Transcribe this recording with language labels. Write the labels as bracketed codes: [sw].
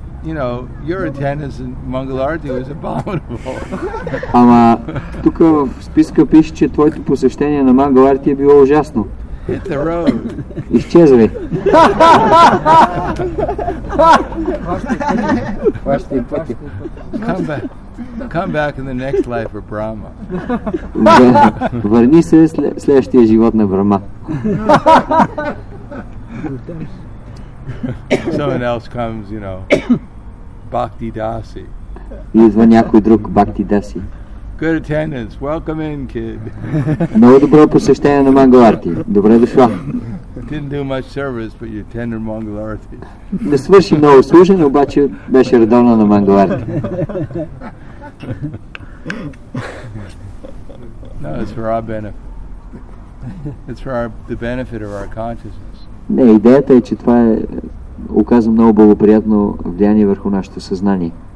[en] You know, your attendance in Mangalarti was abominable. [bg] Ама тук в списка пише, че твоето посещение на Мангаларти е било ужасно. [en] Hit the road. [bg] Изчезвай. [en] Come back in the next life of Brahma. [bg] Върни се следващия живот на Брама. [en] Someone else comes, you know, Bhakti Dasi. [bg] Идва някой друг, Bhakti Dasi. [en] Good attendance. Welcome in, kid. [bg] Много добро посещение на Мангаларти. Добре дошла. [en] Didn't do much service, but you attended Mangalarti. [bg] Не свърши много служене, обаче беше редовно на Мангаларти. [en] No, it's for our benefit. It's for the benefit of our consciousness. [bg] Не, идеята е, че това е оказа много благоприятно влияние върху нашето съзнание.